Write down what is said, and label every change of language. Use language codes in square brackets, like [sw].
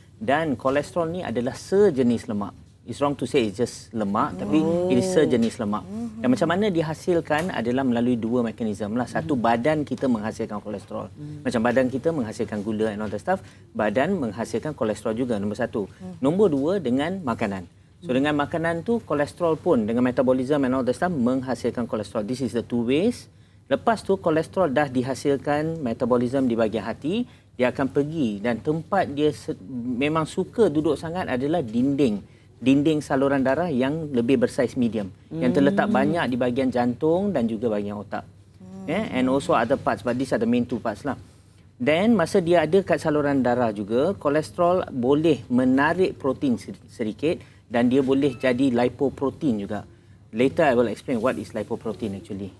[ms] Dan kolesterol ni adalah sejenis lemak. [en] It's wrong to say it's just lemak, tapi it is [ms] sejenis lemak. Dan macam mana dihasilkan adalah melalui dua mekanism lah. Satu, badan kita menghasilkan kolesterol. Macam badan kita menghasilkan gula [en] and all that stuff, [ms] badan menghasilkan kolesterol juga, nombor satu. Nombor dua, dengan makanan. So dengan makanan tu, kolesterol pun dengan metabolism [en] and all that stuff [ms] menghasilkan kolesterol. [en] This is the two ways. [ms] Lepas tu, kolesterol dah dihasilkan metabolism di bahagian hati, dia akan pergi, dan tempat dia memang suka duduk sangat adalah dinding. Dinding saluran darah yang lebih bersaiz medium. Yang terletak banyak di bahagian jantung dan juga bahagian otak. [en] And also other parts, but these are the main two parts [ms] lah. Then, masa dia ada kat saluran darah juga, kolesterol boleh menarik protein sedikit dan dia boleh jadi lipoprotein juga. [en] Later, I will explain what is lipoprotein actually.